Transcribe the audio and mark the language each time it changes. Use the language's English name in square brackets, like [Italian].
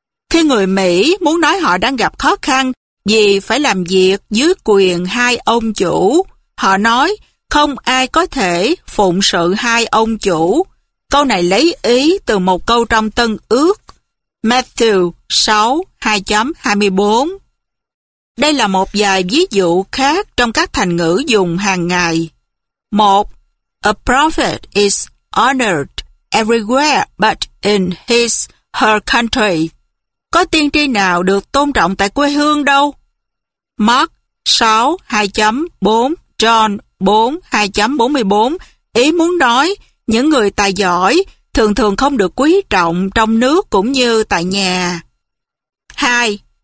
[Vietnamese] Khi người Mỹ muốn nói họ đang gặp khó khăn vì phải làm việc dưới quyền hai ông chủ, họ nói không ai có thể phụng sự hai ông chủ. Câu này lấy ý từ một câu trong Tân Ước, Matthew 6:24. Đây là một vài ví dụ khác trong các thành ngữ dùng hàng ngày. 1. [English] A prophet is honored everywhere but in his her country. [Vietnamese] Có tiên tri nào được tôn trọng tại quê hương đâu? Mark 6:4, John 4:44, ý muốn nói những người tài giỏi thường thường không được quý trọng trong nước cũng như tại nhà. 2.